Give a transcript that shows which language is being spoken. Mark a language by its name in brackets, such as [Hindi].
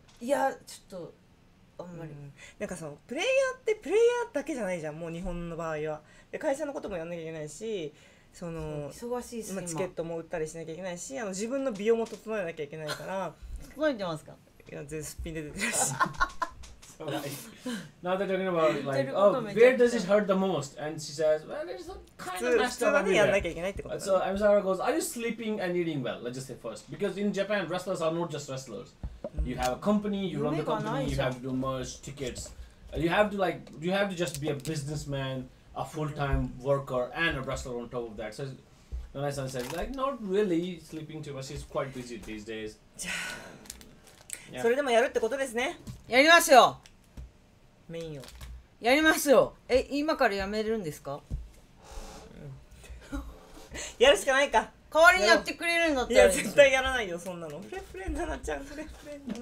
[Japanese] いや、ちょっとあんまり、なんかそのプレイヤーってプレイヤーだけじゃないじゃん、もう日本の場合は。で、会社のこともやんなきゃいけないし、その忙しいし、チケットも売ったりしなきゃいけないし、あの自分の美容も整えなきゃいけないから。整えてますか？いや、全すっぴんで出てるし。 [English] So like, now they're talking about like, oh, where does it hurt the most? And she says, well, there's some kind of stuff under there. So Amazara goes, are you sleeping and eating well? Let's just say first. Because in Japan, wrestlers are not just wrestlers. You have a company, you run the company, you have to do merch, tickets. You have to like, you have to just be a businessman, a full-time worker, and a wrestler on top of that. So, Nanae-san says, like, not really sleeping too much. She's quite busy these days. Yeah. [Japanese] それでもやるってことですね。やりますよ。メインを。やりますよ。え、今からやめるんですか？やるしかないか。代わりにやってくれるんだったら、いや絶対やらないよそんなの。フレフレ奈々ちゃん、フレフレ奈